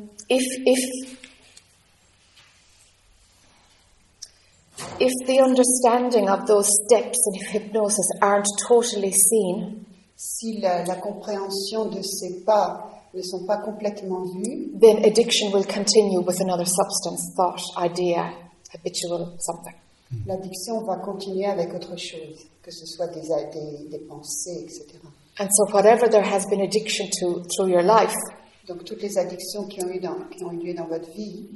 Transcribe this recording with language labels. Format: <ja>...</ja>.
<en>If the understanding of those steps in hypnosis aren't totally seen,</en> <fr>si la compréhension de ces pas ne sont pas complètement vues,</fr> <en>then addiction will continue with another substance, thought, idea, habitual something.</en> <fr>L'addiction va continuer avec autre chose, que ce soit des pensées, etc.</fr> <en>And so whatever there has been addiction to through your life,</en> <fr>donc toutes les addictions qui ont eu lieu dans votre vie,</fr>